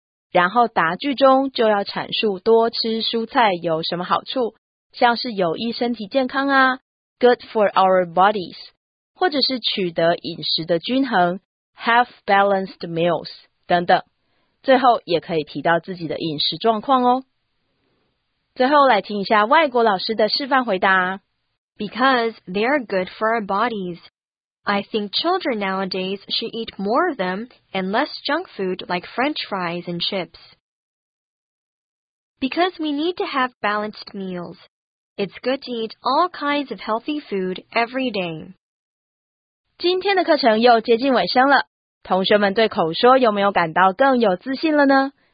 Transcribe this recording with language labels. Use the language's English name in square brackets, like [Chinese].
[Chinese] 然后答句中就要阐述多吃蔬菜有什么好处，像是有益身体健康啊 [English] good for our bodies, [Chinese] 或者是取得饮食的均衡 [English] have balanced meals, [Chinese] 等等。最后也可以提到自己的饮食状况哦。最后来听一下外国老师的示范回答。 [English] Because they are good for our bodies. I think children nowadays should eat more of them and less junk food like French fries and chips. Because we need to have balanced meals, it's good to eat all kinds of healthy food every day. [Chinese] 今天的课程又接近尾声了，同学们对口说有没有感到更有自信了呢？